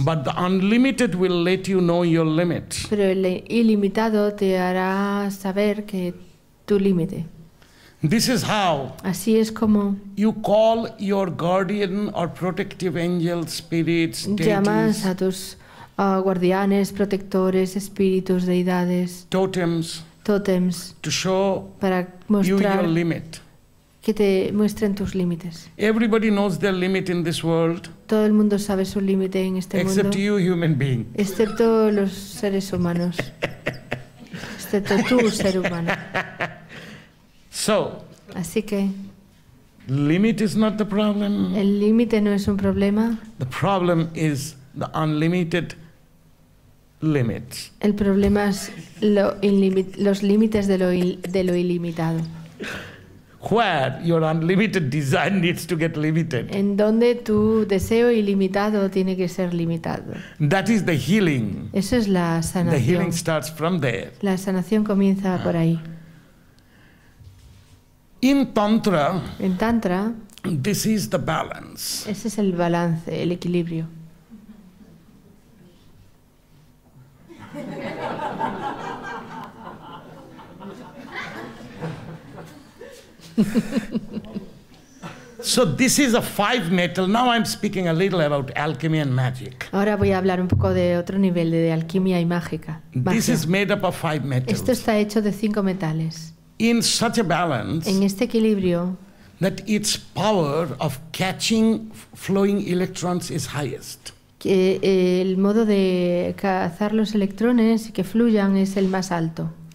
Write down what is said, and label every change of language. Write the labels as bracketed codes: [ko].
[en] But the unlimited will let you know your limit. [es] Pero el ilimitado te hará saber que tu límite. [en] This is how. [es] Así es como. [en] You call your guardian or protective angels, spirits, deities. [es] Llamas a tus guardianes, protectores, espíritus, deidades, [en] totems, to show [es] para mostrar [en] you your limit. [es] Que te muestren tus límites. [en] Everybody knows their limit in this world. [es] Todo el mundo sabe su límite en este [en] except [es] mundo. [en] You, human being. [es] Excepto los seres humanos. Excepto tú, ser humano. [en] So, [es] así que [en] limit is not the problem. [es] El límite no es un problema. [en] The problem is the unlimited limits. [es] El problema es los límites de lo ilimitado. [en] Where your unlimited desire needs to get limited. [es] En donde tu deseo ilimitado tiene que ser limitado. [en] That is the healing. [es] Eso es la sanación. [en] The healing starts from there. [es] La sanación comienza por ahí. [en] In Tantra. [es] En Tantra. [en] This is the balance. [es] Ese es el balance, el equilibrio. [en] So this is a five metal. Now I'm speaking a little about alchemy and magic. [es] Ahora voy a hablar un poco de otro nivel de alquimia y mágica. [en] This is made up of five metals. [es] Esto está hecho de cinco metales. [en] In such a balance. [es] En este equilibrio. [en] That its power of catching flowing electrons is highest. [es] Que el modo de cazar los electrones y que fluyan es el más alto.